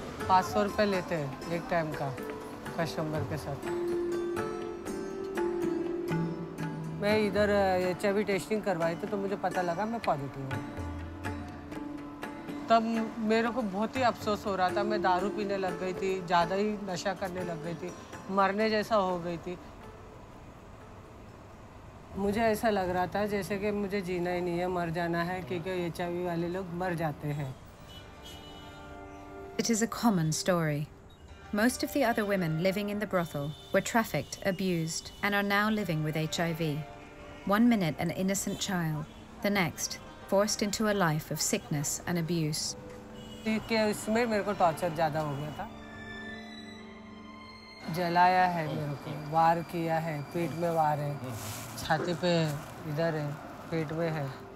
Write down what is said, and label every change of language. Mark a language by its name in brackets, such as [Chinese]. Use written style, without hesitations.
[Hindi] ₹500 लेते हैं एक टाइम का कस्टमर के साथ मैं इधर एचआईवी टेस्टिंग करवाई तो मुझे पता लगा मैं पॉजिटिव हूं तब मेरे को बहुत ही अफसोस हो रहा था मैं दारू पीने लग गई थी ज्यादा ही नशा करने लग गई थी मरने जैसा हो गई थी मुझे ऐसा लग रहा था जैसे कि मुझे जीना ही नहीं है मर जाना है क्योंकि एचआईवी वाले लोग मर जाते हैं [English] It is a common story. Most of the other women living in the brothel were trafficked, abused and are now living with HIV. One minute an innocent child, the next forced into a life of sickness and abuse. [Hindi] क्या इसमें मेरे को torture ज्यादा हो गया था? जलाया है मेरे को, वार किया है, पेट में वार है, छाती पे है, इधर है, पेट में है।